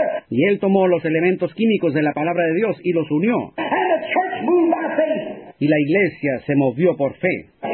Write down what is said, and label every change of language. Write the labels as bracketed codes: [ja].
[es] Y él tomó los elementos químicos de la palabra de Dios y los unió. [en] And the church moved by faith. [es] Y la iglesia se movió por fe.